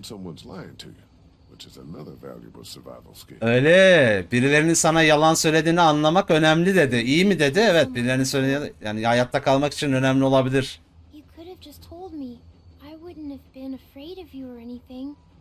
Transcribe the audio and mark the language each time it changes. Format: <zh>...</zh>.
<en>Someone's lying to you, which is another valuable survival skill.</en> <tr>Öyle. Birilerinin sana yalan söylediğini anlamak önemli dedi. İyi mi dedi? Evet, birilerinin söylediği, yani hayatta kalmak için önemli olabilir.</tr> <en>You could have just told me. I wouldn't have been afraid of you or anything.</en>